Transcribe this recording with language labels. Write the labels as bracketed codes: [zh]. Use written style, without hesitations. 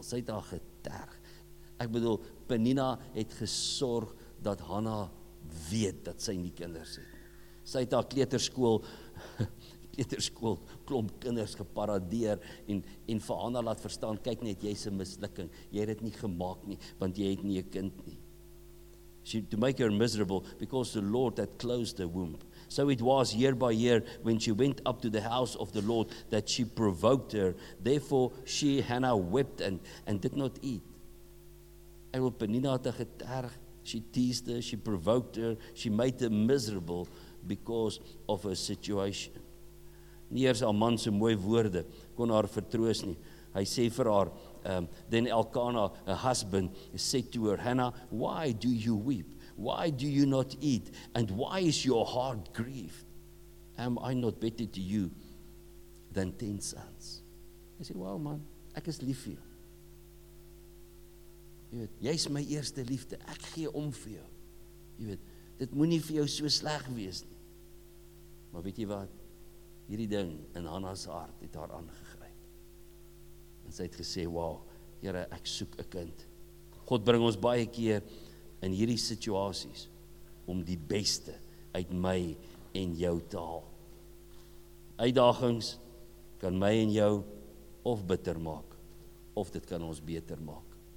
[af] Sy het haar geterg. Ek bedoel, Penina het gesorg dat Hanna weet dat sy nie kinders het. Sy het haar kleuterskool klomp kinders geparadeer en vir Hanna laat verstaan, kyk net, jy is 'n mislukking. Jy het dit nie gemaak nie, want jy het nie 'n kind nie. [en] She, to make her miserable because the Lord had closed the womb. So it was year by year when she went up to the house of the Lord that she provoked her. Therefore she, Hannah, wept and did not eat. [af] En wil Penina te geterg. [en] She teased her, she provoked her, she made her miserable because of her situation. [af] Nie eers haar man se mooie woorde kon haar vertroos nie. Hy sê vir haar, [en] then Elkanah, her husband, said to her, Hannah, why do you weep? Why do you not eat? And why is your heart grieved? Am I not better to you than 10 sons? [af] Hy sê, wow man, ek is lief vir jou. Jy weet, jy is my eerste liefde, ek gee om vir jou. Jy weet, dit moet nie vir jou so sleg wees nie. Maar weet jy wat? Hierdie ding in Hannah's hart het haar aangegryp. En sy het gesê, wow, Here, ek soek 'n kind. God bring ons baie keer in hierdie situasies om die beste uit my en jou te haal. Uitdagings kan my en jou of bitter maak, of dit kan ons beter maak.